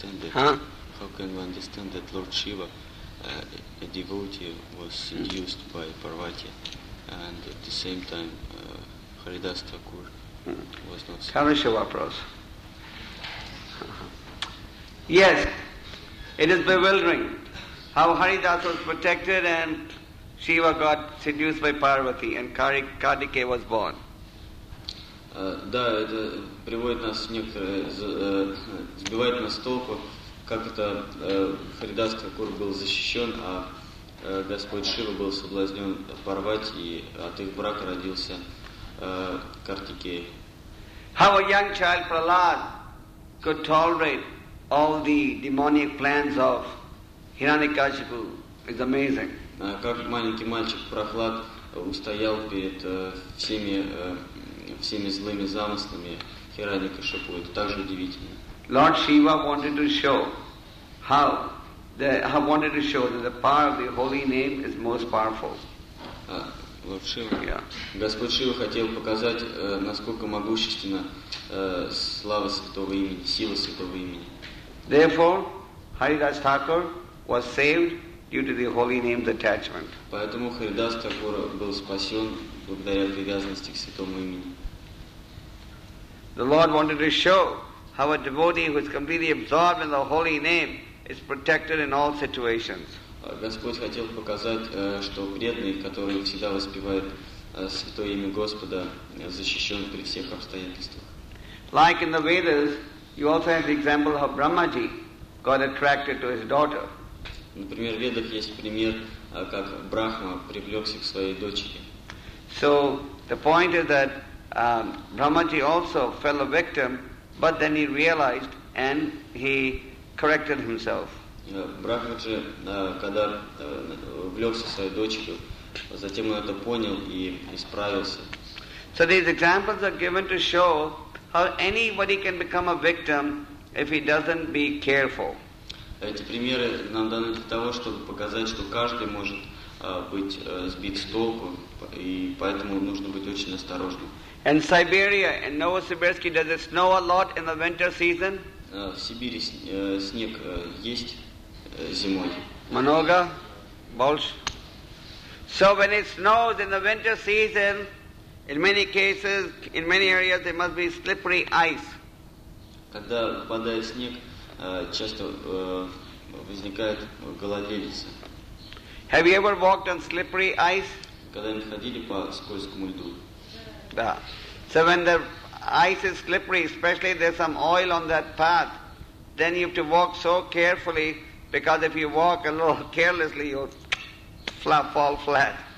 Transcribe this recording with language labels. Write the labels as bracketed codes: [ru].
[en] How can we understand that Lord Shiva, a devotee, was seduced by Parvati, and at the same time Haridas Thakur was not seduced? Yes, it is bewildering. How Haridas was protected and Shiva got seduced by Parvati and Kartikeya was born. [ru] Да, это приводит нас в некоторое, сбивает нас с толку, как это Харидас Такур был защищен, а Господь Шива был соблазнен Парвати, и от их брака родился Картикея. [en] How a young child Prahlad could tolerate all the demonic plans of Hiranyakashipu is amazing. [ru] Как маленький мальчик Прохлад устоял перед всеми злыми замыслами Хираньякашипу, это также удивительно. [en] Lord Shiva wanted to show how I wanted to show that the power of the holy name is most powerful. Lord Shiva. Yeah. [ru] Господь Шива хотел показать, насколько могущественна слава Святого имени, сила Святого имени. [en] Therefore, Haridas Thakur was saved due to the holy name's attachment. [ru] Поэтому Харидас Такур был спасен благодаря привязанности к Святому имени. [en] The Lord wanted to show how a devotee who is completely absorbed in the holy name is protected in all situations. [ru] Господь хотел показать, что преданный, который всегда воспевает Святое имя Господа, защищен при всех обстоятельствах. [en] Like in the Vedas, you also have the example of Brahmaji got attracted to his daughter. [ru] Например, в Ведах есть пример, как Брахма привлекся к своей дочери. [en] So the point is that Brahmaji also fell a victim, but then he realized and he corrected himself. [ru] Брахмаджи, когда влёкся в свою дочку, затем он это понял и исправился. [en] So these examples are given to show how anybody can become a victim if he doesn't be careful. [ru] Эти примеры нам даны для того, чтобы показать, что каждый может быть сбит с толку, и поэтому нужно быть очень осторожным. [en] In Siberia, in Novosibirsk, does it snow a lot in the winter season? [ru] В Сибири снег есть зимой. Много? Больше? [en] So when it snows in the winter season, in many cases, in many areas, there must be slippery ice. [ru] Когда падает снег, часто возникает гололедица. [en] Have you ever walked on slippery ice? [ru] Когда-нибудь ходили по скользкому льду? Да. [en] So when the ice is slippery, especially there's some oil on that path, then you have to walk so carefully, because if you walk a little carelessly, you'll fall flat.